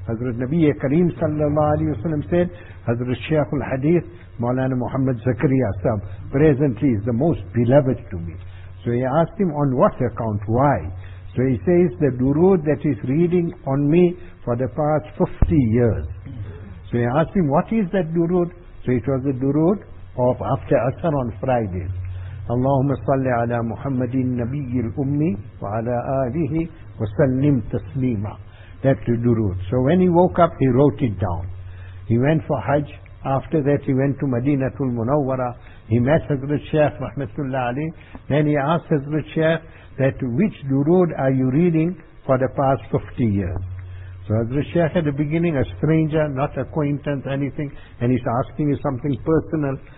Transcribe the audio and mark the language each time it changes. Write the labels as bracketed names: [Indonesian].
[English] Hazrat Nabiya Kareem Sallallahu Alaihi Wasallam said, Hazrat Shaykh al-Hadith, Maulana Muhammad Zakariya Sahib, presently is the most beloved to me. So he asked him, on what account, why? So he says, the durood that is reading on me for the past 50 years. So he asked him, what is that durood? So it was the durood of after Asr on Fridays. [Arabic] اللهم صل على محمد النبي الأمي وعلى آله وسلم تسليما. [English] That's the durood. So when he woke up, he wrote it down. He went for Hajj. After that, he went to Madinatul Munawwara. He met Hazrat Shaykh Rahmatullah Ali. Then he asked Hazrat Shaykh that which durood are you reading for the past 50 years? So Hazrat Shaykh at the beginning, a stranger, not acquaintance, anything, and he's asking you something personal.